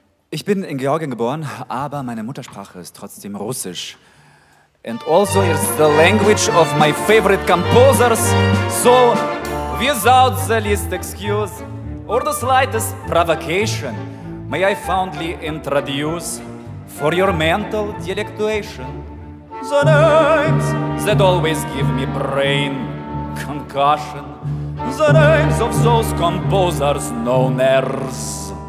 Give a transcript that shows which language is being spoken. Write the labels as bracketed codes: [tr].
[de] Ich bin in Georgien geboren, aber meine Muttersprache ist trotzdem Russisch. [en] And also it's the language of my favorite composers. So, without the least excuse or the slightest provocation, may I fondly introduce for your mental delectation the names that always give me brain concussion, the names of those composers known as